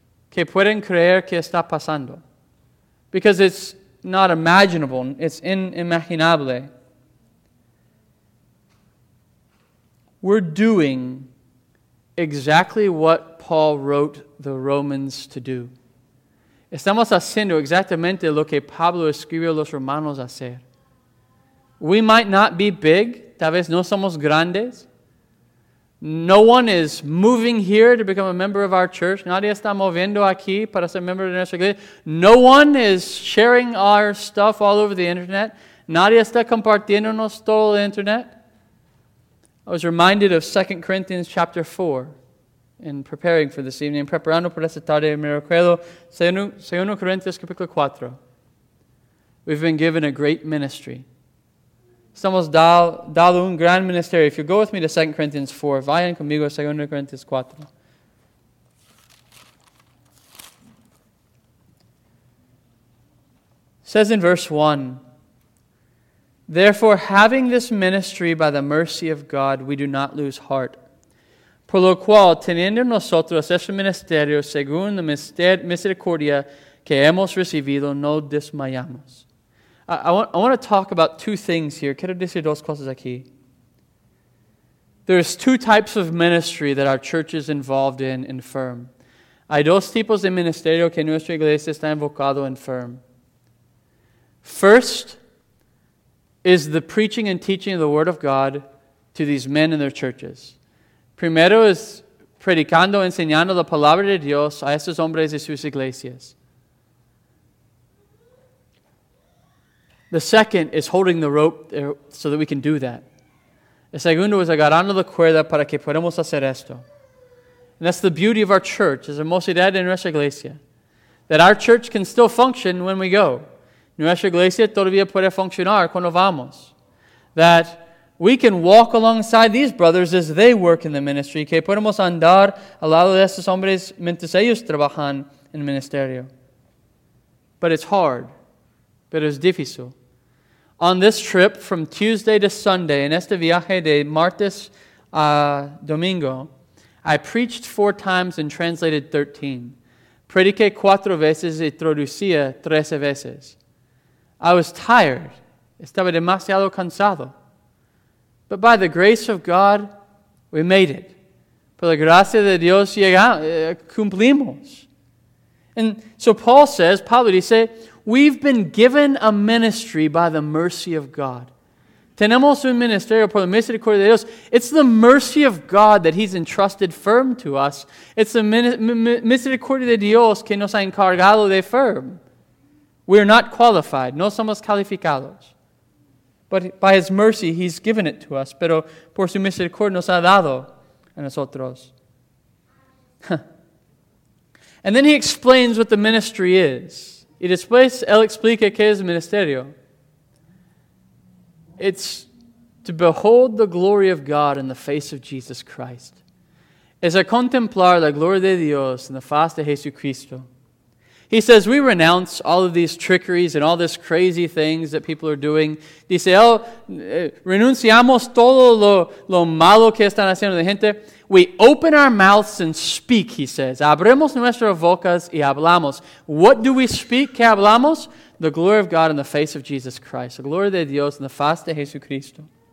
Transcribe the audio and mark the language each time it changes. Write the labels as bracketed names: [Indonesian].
[Spanish] Que pueden creer que está pasando. [English] Because it's not imaginable, it's inimaginable. We're doing exactly what Paul wrote the Romans to do. [Spanish] Estamos haciendo exactamente lo que Pablo escribió a los romanos hacer. [English] We might not be big, [Spanish] tal vez no somos grandes. [English] No one is moving here to become a member of our church. [Spanish] Nadie está moviendo aquí para ser miembro de nuestra iglesia. [English] No one is sharing our stuff all over the internet. [Spanish] Nadie está compartiéndonos todo el internet. [English] I was reminded of 2 Corinthians chapter 4. In preparing for this evening, [Spanish] preparando por esta tarde, me recuerdo, 2 Corintios capítulo 4. [English] We've been given a great ministry. [Spanish] Estamos dado un gran ministerio. [English] If you go with me to 2 Corinthians 4, [Spanish] vayan conmigo a 2 Corintios 4. [English] Says in verse 1, therefore, having this ministry by the mercy of God, we do not lose heart. [Spanish] Por lo cual, teniendo nosotros este ministerio, según la misericordia que hemos recibido, no desmayamos. [English] I want to talk about two things here. [Spanish] Quiero decir dos cosas aquí. [English] There's two types of ministry that our church is involved in and firm. [Spanish] Hay dos tipos de ministerio que nuestra iglesia está invocado and firm. [English] First is the preaching and teaching of the Word of God to these men in their churches. [Spanish] Primero es predicando, enseñando la palabra de Dios a estos hombres y sus iglesias. [English] The second is holding the rope there so that we can do that. [Spanish] El segundo es agarrando la cuerda para que podamos hacer esto. [English] And that's the beauty of our church, [Spanish] es hermosidad en nuestra iglesia. [English] That our church can still function when we go. [Spanish] Nuestra iglesia todavía puede funcionar cuando vamos. [English] That we can walk alongside these brothers as they work in the ministry. [Spanish] Que podemos andar al lado de estos hombres mientras ellos trabajan en el ministerio. [English] But it's hard. [Spanish] Pero es difícil. [English] On this trip from Tuesday to Sunday, [Spanish] en este viaje de martes a domingo, [English] I preached 4 times and translated 13. [Spanish] Prediqué 4 veces y traducía 13 veces. [English] I was tired. [Spanish] Estaba demasiado cansado. [English] But by the grace of God, we made it. [Spanish] Por la gracia de Dios, cumplimos. [English] And so Paul says, [Spanish] Pablo dice, [English] we've been given a ministry by the mercy of God. [Spanish] Tenemos un ministerio por la misericordia de Dios. [English] It's the mercy of God that He's entrusted firm to us. It's the [Spanish] misericordia de Dios que nos ha encargado de firm. [English] We are not qualified. [Spanish] No somos calificados. [English] But by His mercy, He's given it to us. [Spanish] Pero por su misericordia nos ha dado a nosotros. [English] And then he explains what the ministry is. [Spanish] Y después él explica qué es el ministerio. [English] It's to behold the glory of God in the face of Jesus Christ. [Spanish] Es a contemplar la gloria de Dios en la faz de Jesucristo. [English] He says, we renounce all of these trickeries and all these crazy things that people are doing. [Spanish] Dice, renunciamos todo lo malo que están haciendo la gente. [English] We open our mouths and speak, he says. [Spanish] Abremos nuestras bocas y hablamos. [English] What do we speak [Spanish] que hablamos? [English] The glory of God in the face of Jesus Christ. The glory [Spanish] de Dios en la faz de Jesucristo.